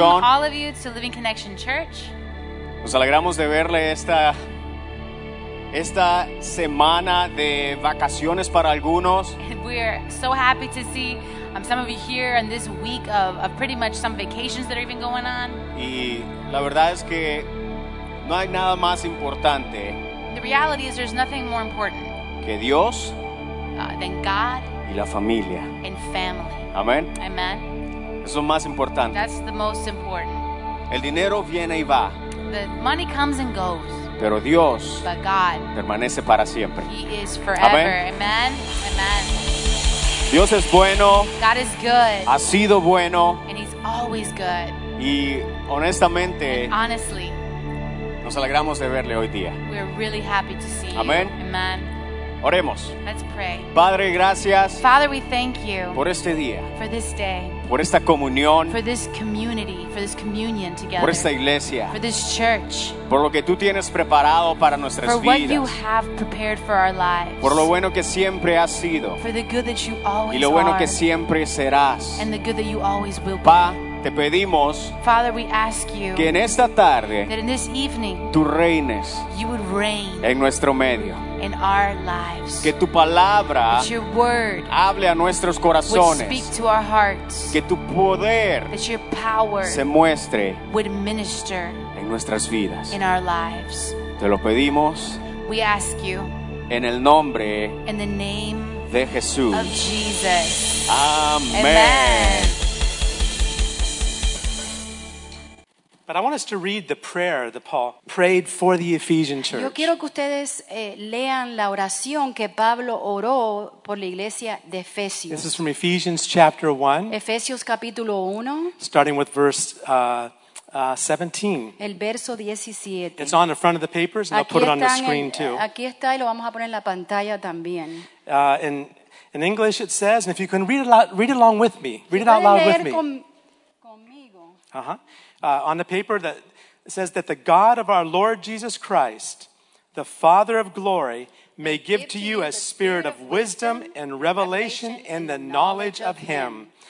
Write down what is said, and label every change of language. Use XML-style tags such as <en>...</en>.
<en>We welcome all of you to Living Connection Church.</en> <es>Nos alegramos de verle esta semana de vacaciones para algunos.</es> <en>We are so happy to see some of you here in this week of pretty much some vacations that are even going on.</en> <es>Y la verdad es que no hay nada más importante.</es> <en>The reality is there's nothing more important.</en> <es>Que Dios.</es> <en>Than God.</en> <es>Y la familia.</es> <en>And family. Amen. Amen.</en> <es>Eso es más importante.</es> <en>That's the most important.</en> <es>El dinero viene y va.</es> <en>The money comes and goes.</en> <es>Pero Dios.</es> <en>But God.</en> <es>Permanece para siempre.</es> <en>He is forever. Amen. Amen. Amen.</en> <es>Dios es bueno.</es> <en>God is good.</en> <es>Ha sido bueno.</es> <en>And he's always good.</en> <es>Y honestamente.</es> <en>And honestly.</en> <es>Nos alegramos de verle hoy día.</es> <en>We're really happy to see Amen. You. Amen.</en> <es>Oremos.</es> <en>Let's pray.</en> <es>Padre, gracias.</es> <en>Father, we thank you.</en> <es>Por este día.</es> <en>For this day.</en> <es>Por esta comunión.</es> <en>For this community. For this communion together.</en> <es>Por esta iglesia.</es> <en>For this church.</en> <es>Por lo que tú tienes preparado para nuestras</es> <en>for</en> <es>vidas.</es> <en>For what you have prepared for our lives.</en> <es>Por lo bueno que siempre has sido.</es> <en>For the good that you always</en> <es>y lo bueno</es> <en>are.</en> <es>Que siempre serás.</es> <en>And the good that you always will</en> <es>pa,</es> <en>be.</en> <es>Te pedimos</es> <en>Father, we ask you</en> <es>que en esta tarde</es> <en>that in this evening,</en> <es>tú reines</es> <en>you would reign</en> <es>en nuestro medio.</es> <en>In our lives.</en> <es>Que tu palabra</es> <en>that your word</en> <es>hable a nuestros corazones.</es> <en>Would speak to our hearts.</en> <es>Que tu poder</es> <en>that your power</en> <es>se muestre</es> <en>would minister</en> <es>en nuestras vidas.</es> <en>In our lives.</en> <es>Te lo pedimos</es> <en>we ask you</en> <es>en el nombre</es> <en>in the name</en> <es>de Jesús.</es> <en>Of Jesus. Amen. Amen. But I want us to read the prayer that Paul prayed for the Ephesian church.</en> <es>Yo quiero que ustedes lean la oración que Pablo oró por la iglesia de Efesios.</es> <en>This is from Ephesians chapter 1.</en> <es>Efesios capítulo 1.</es> <en>Starting with verse 17.</en> <es>El verso 17.</es> <en>It's on the front of the papers and</en> <es>aquí</es> <en>I'll put it on the screen too.</en> <es>Aquí está y lo vamos a poner en la pantalla también.</es> <en>In English it says, and if you can read along with me. Read it out loud with me.</en> <es>Conmigo.</es> <en>On the paper that says that the God of our Lord Jesus Christ, the Father of glory, may give to you a spirit of wisdom and revelation in the knowledge of him.</en>